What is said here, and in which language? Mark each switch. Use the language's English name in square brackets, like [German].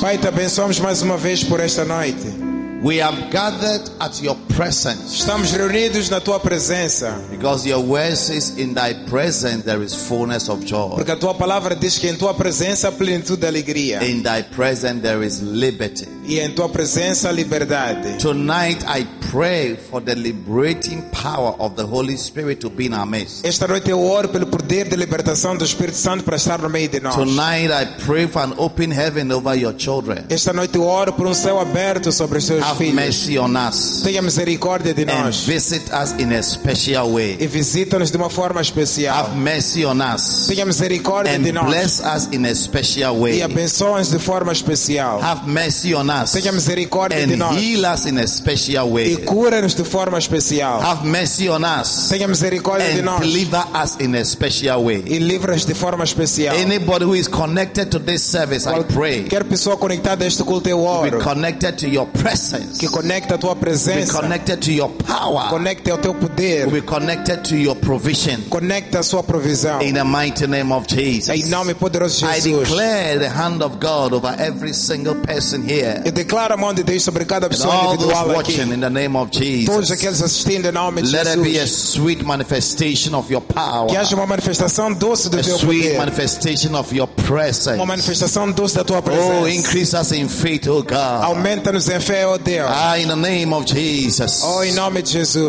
[Portuguese] Pai, te abençoamos mais uma vez por esta noite. [English] We have gathered at your presence. [Portuguese] Estamos reunidos na tua presença. [English] Because your word says, "In thy presence there is fullness of joy." [Portuguese] Porque a tua palavra diz que em tua presença há plenitude de alegria. [English] In thy presence there is liberty. [Portuguese] E em tua presença há liberdade. [English] Tonight I pray for the liberating power of the Holy Spirit to be in our midst. [Portuguese] Esta noite eu oro pelo poder de libertação do Espírito Santo para estar no meio de nós. [English] Tonight I pray for an open heaven over your children. [Portuguese] Esta noite eu oro por céu aberto sobre seus [English] Have Have mercy on us. [Portuguese] Tenha misericórdia de [English] and [Portuguese] nós. [English] And visit us in a special way. [Portuguese] E visita-nos de uma forma especial. [English] Have mercy on us. [Portuguese] Tenha misericórdia [English] and [Portuguese] de nós. [English] And bless us in a special way. [Portuguese] E abençoa-nos de forma especial. [English] Have mercy on us. [Portuguese] Tenha misericórdia [English] and [Portuguese] de nós. [English] And heal us in a special way. [Portuguese] E cura-nos de forma especial. [English] Have mercy on us. [Portuguese] Tenha misericórdia [English] and [Portuguese] de nós. [English] Deliver us in a special way. [Portuguese] E livra-nos de forma especial. [English] Anybody who is connected to this service, I pray. [Portuguese] Qualquer pessoa conectada a este culto, eu oro. [English] Be connected to your presence. [Portuguese] Que conecte a tua presença. [English] Be connected to your power. [Portuguese] Conecte ao teu poder. [English] Be connected to your provision. [Portuguese] Conecte a sua provisão. [English] In the mighty name of Jesus. [Portuguese] Em nome poderoso de Jesus. [English] I declare the hand of God over every single person here. [Portuguese] Eu declaro a mão de Deus sobre cada pessoa individual aqui. [English] In the name of Jesus. [Portuguese] Todos assistindo em nome de [English] Let [Portuguese] Jesus. [English] It be a sweet manifestation of your power. [Portuguese] Que haja uma manifestação doce do [English] a [Portuguese] teu poder. [English] A sweet manifestation of your presence. [Portuguese] Uma manifestação doce da tua presença. [English] Oh, increase us in faith, oh God. [Portuguese] Aumenta-nos em fé, oh Deus. [English] Ah, in the name of Jesus. [Portuguese] Oh, em nome de Jesus.